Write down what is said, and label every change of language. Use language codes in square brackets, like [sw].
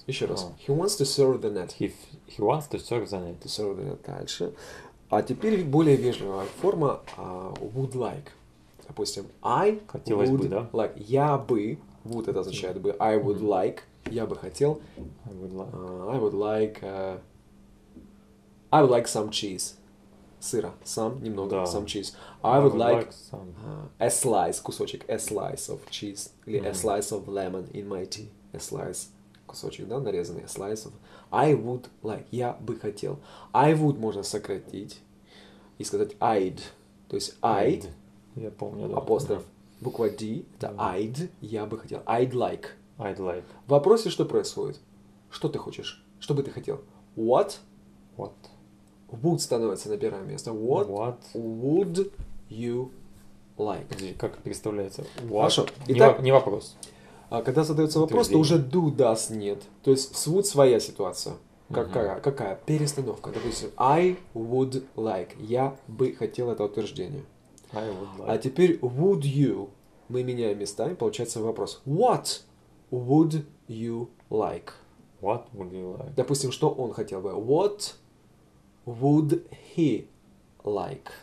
[ru] Еще раз. [en] Oh. He wants to surf the net. He wants to surf the net. To surf the net. [ru] Дальше. А теперь более вежливая форма [en] would like. Допустим, I [ru] хотелось [en] would [ru] бы, да? [en] Like. [ru] Я бы, would это означает бы, [en] I would mm-hmm. like, [ru] я бы хотел. [en] I would like. I would like, I would like some cheese. [ru] Сыра. Some, немного, да. [en] Some cheese. I would like some. A slice, [ru] кусочек, [en] a slice of cheese. Или mm-hmm. a slice of lemon in my tea. A slice. [ru] Кусочек, да, нарезанный, slice of. [en] I would like, [ru] я бы хотел. [en] I would [ru] можно сократить и сказать I'd. То есть I'd, я помню, да. Апостроф, да. Буква D, это да. I'd, я бы хотел. [en] I'd like. I'd like. [ru] В вопросе что происходит? Что ты хочешь? Что бы ты хотел? [en] What? What? [ru] Would становится на первое место. [en] What, what? Would you like? [ru] Где, как представляется? Хорошо. Итак, не вопрос. Когда задается вопрос, то уже [en] do, does, [ru] нет. То есть, с would своя ситуация. Какая? Uh-huh. Какая? Перестановка. [en] Допустим, I would like. [ru] Я бы хотел это утверждение. [en] I would like. [ru] А теперь [en] would you. [ru] Мы меняем местами, получается вопрос. [en] What would you like? What would you like? [ru] Допустим, что он хотел бы? [en] What would he like?